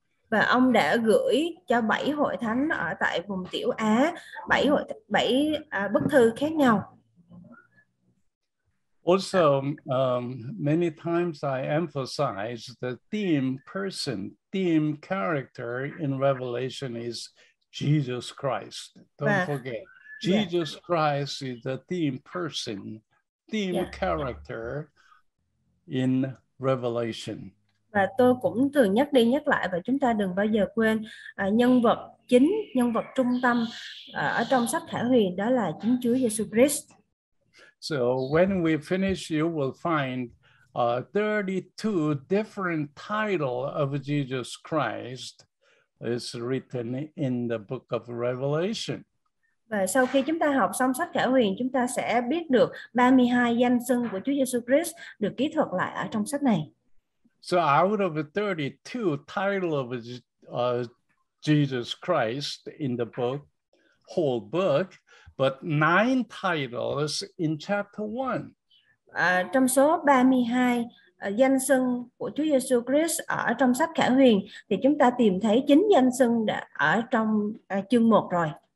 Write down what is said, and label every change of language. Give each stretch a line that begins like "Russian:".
Vietnamese: Và ông đã gửi cho 7 hội thánh ở tại vùng Tiểu Á, 7 hội 7 bức thư khác nhau.
English: Also, many times I emphasize the theme person, theme character in Revelation is Jesus Christ. Don't forget. Jesus Christ is the theme person, theme character in Revelation.
Vietnamese: Và tôi cũng thường nhắc đi nhắc lại và chúng ta đừng bao giờ quên nhân vật chính, nhân vật trung tâm ở trong sách Khải Huyền đó là chính Chúa Jesus Christ.
English: So when we finish, you will find 32 different titles of Jesus Christ is written in the book of Revelation.
Vietnamese: Và sau khi chúng ta học xong sách Khải Huyền, chúng ta sẽ biết được 32 danh xưng của Chúa Jesus Christ được ký thuật lại ở trong sách này.
English: So out of the 32 title of Jesus Christ in the book, whole book, but 9 titles in chapter 1.
Vietnamese: Trong số 32 danh xưng của Chúa Jesus Christ ở trong sách Khải Huyền thì chúng ta tìm thấy 9 danh xưng đã ở trong chương 1 rồi.